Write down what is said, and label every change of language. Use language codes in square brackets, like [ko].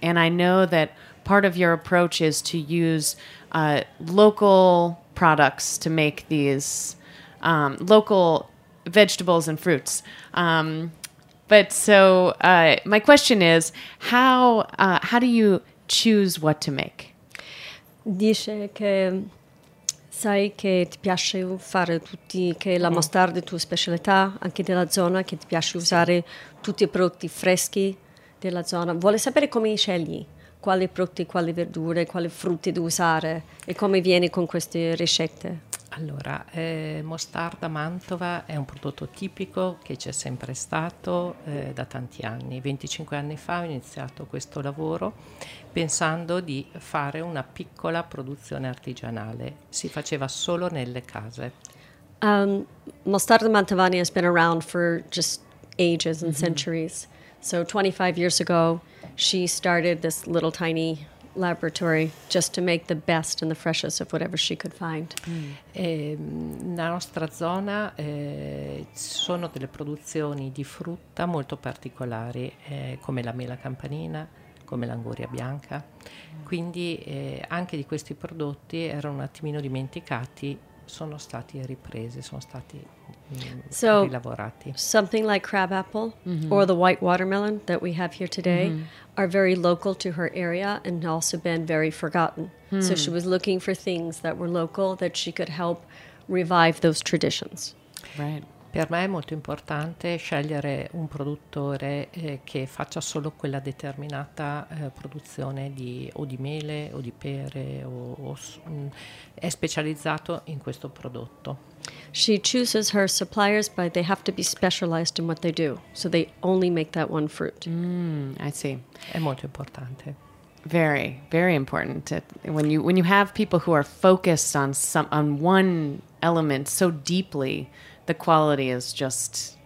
[en] And I know that part of your approach is to use local products to make these local vegetables and fruits. But so my question is, how do you choose what to make? [it] Dice che sai che ti piace fare tutti, che la mostarda è tua specialità, anche della zona, che ti piace usare tutti i prodotti freschi della zona. Vuole sapere come scegli quali prodotti, quali verdure, quali frutti da usare e come vieni con queste ricette. Allora, mostarda Mantova è un prodotto tipico che c'è sempre stato da tanti anni. 25 anni fa ho iniziato questo lavoro pensando di fare una piccola produzione artigianale. Si faceva solo nelle case. [en] Mostarda Mantovani has been around for just ages and centuries. So 25 years ago, she started this little tiny laboratory just to make the best and the freshest of whatever she could find. [it] Nella nostra zona sono delle produzioni di frutta molto particolari, come la mela campanina, come l'anguria bianca. Quindi anche di questi prodotti erano un attimino dimenticati, sono stati ripresi, sono stati rilavorati. [en] So something like crab apple or the white watermelon that we have here today are very local to her area and also been very forgotten. So she was looking for things that were local that she could help revive those traditions. Right. [it] Per me è molto importante scegliere un produttore che faccia solo quella determinata produzione di o di mele o di pere o è specializzato in questo prodotto. [en] She chooses her suppliers, but they have to be specialized in what they do, so they only make that one fruit. I see. [it] È molto importante. [en] Very, very important. When you have people who are focused on one element so deeply, the quality is just